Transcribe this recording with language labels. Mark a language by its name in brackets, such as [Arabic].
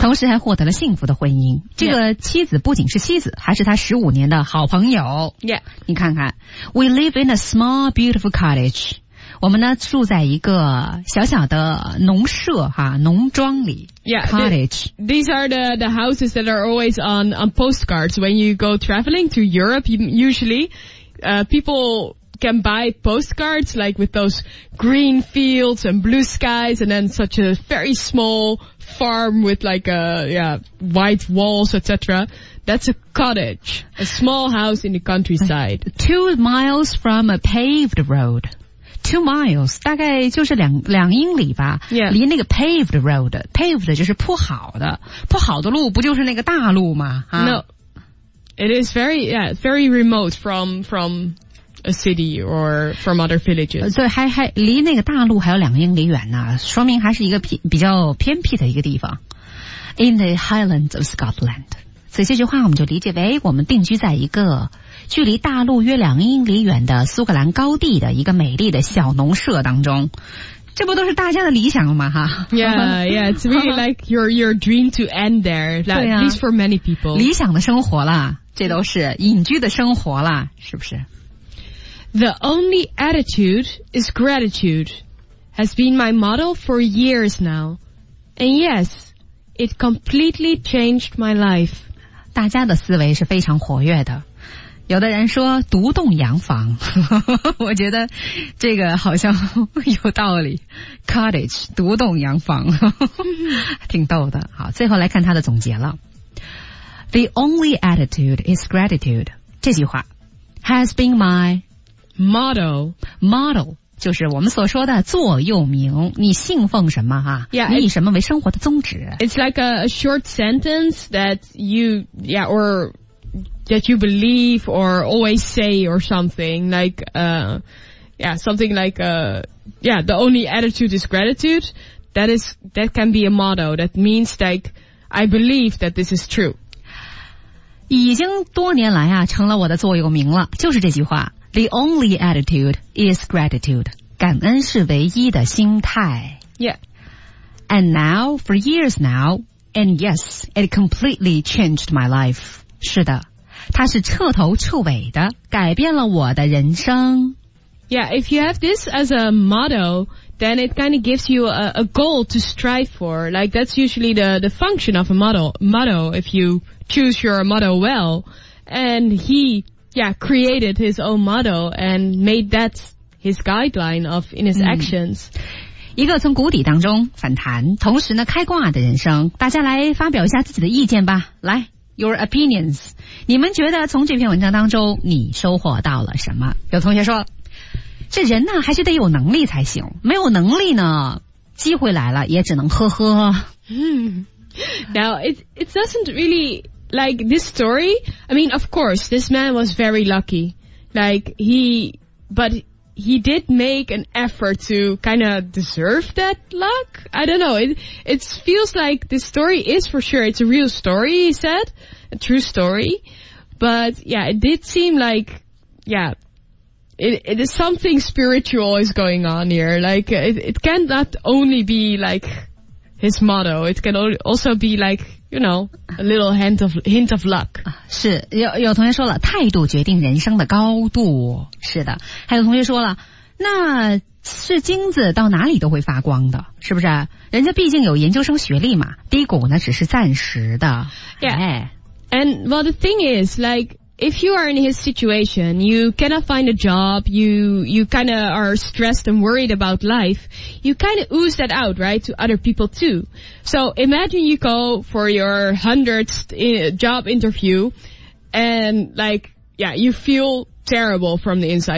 [Chinese] 同时还获得了幸福的婚姻。这个妻子不仅是妻子，还是他15年的好朋友。 [English] Yeah. [Chinese] 你看看。 [English] We live in a small, beautiful cottage. [Chinese] 我们呢住在一个小小的农舍哈，农庄里。 [English] Yeah. Cottage. These are the houses that are always on postcards. When you go traveling to Europe, usually, people... can buy postcards like with those green fields and blue skies and then such a very small farm with like a, yeah, white walls, etc. That's a cottage, a small house in the countryside. 2 miles from a paved road. 2 miles, [Chinese] 大概就是两英里吧。 [English] Yeah. [Chinese] 离那个 [English] paved road, [Chinese] paved 就是铺好的。铺好的路不就是那个大路吗、啊、 [English] No. It is very, yeah, very remote from,a city or from other villages. [Chinese] 对，还离那个大陆还有两英里远呢，说明还是一个比较偏僻的一个地方。 [English] In the Highlands of Scotland. [Chinese] 所以这句话我们就理解为我们定居在一个距离大陆约两英里远的苏格兰高地的一个美丽的小农舍当中。这不都是大家的理想吗？哈。 [English] Yeah, yeah, it's really like your dream to end there. That, [Chinese] 对啊。 [English] At least for many people. [Chinese] 理想的生活啦，这都是隐居的生活啦，是不是？ [English] The only attitude is gratitude has been my motto for years now. And yes, it completely changed my life. [Chinese] 大家的思维是非常活跃的。有的人说独栋洋房。我觉得这个好像有道理。 Cottage, 独栋洋房。挺逗的。好，最后来看他的总结了。 [English] The only attitude is gratitude. [Chinese] 这句话 [English] has been mym otto [Chinese] 就是我们所说的座右铭，你信奉什么哈、啊？ [English] Yeah, [Chinese] 你以什么为生活的宗旨？ [English] It's like a short sentence that you, yeah, or that you believe or always say or something like, yeah, something like, yeah, the only attitude is gratitude. That can be a motto. That means like, I believe that this is true. [Chinese] 已经多年来啊，成了我的座右铭了，就是这句话。 [English] The only attitude is gratitude. [Chinese] 感恩是唯一的心态。 [English] Yeah. And now, for years now, and yes, it completely changed my life. 是的，它是彻头彻尾的改变了我的人生。 Yeah, if you have this as a motto, then it kind of gives you a goal to strive for. Like, that's usually the function of a motto, if you choose your motto well. And he, yeah, created his own motto and made that his guideline of in his actions. [Chinese] 一个从谷底当中反弹，同时呢开挂的人生，大家来发表一下自己的意见吧。 [English] 来 ,your opinions. [Chinese] 你们觉得从这篇文章当中你收获到了什么？有同学说，这人呢还是得有能力才行，没有能力呢机会来了也只能呵呵。 [English] Now, it doesn't really, like, this story, I mean, of course, this man was very lucky. Like, he did make an effort to kind of deserve that luck. I don't know. It feels like this story is for sure. It's a real story, he said. A true story. But yeah, it did seem like, yeah,It is something spiritual is going on here. Like, it cannot only be like his motto. It can also be like, you know, a little hint of luck. [Chinese] 是，有同学说了，态度决定人生的高度。是的，还有同学说了，那是金子到哪里都会发光的，是不是？人家毕竟有研究生学历嘛，低谷呢只是暂时的。 [English] Yeah. And well, the thing is, like,if you are in his situation, you cannot find a job, you kind of are stressed and worried about life, you kind of ooze that out, right, to other people too. So imagine you go for your 100th job interview and, like, yeah, you feel terrible from the inside.